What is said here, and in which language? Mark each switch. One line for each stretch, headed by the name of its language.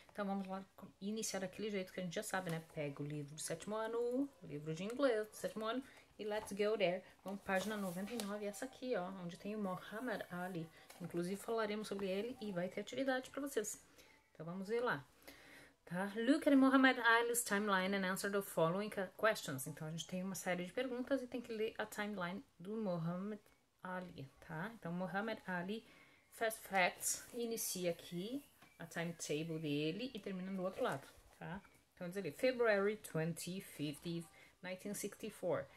Portuguese: Então vamos lá iniciar daquele jeito que a gente já sabe, né? Pega o livro do sétimo ano, livro de inglês do sétimo ano, e
English: let's go there.
Portuguese: Vamos, página 99, essa aqui, ó, onde tem o Muhammad Ali. Inclusive falaremos sobre ele e vai ter atividade para vocês. Então vamos ver lá. Tá?
English: Look at Muhammad Ali's timeline and answer the following questions.
Portuguese: Então a gente tem uma série de perguntas e tem que ler a timeline do Muhammad Ali, tá? Então, Muhammad Ali, Fast Facts, inicia aqui a timetable dele e termina do outro lado, tá? Então, diz ali,
English: February 25th, 1964.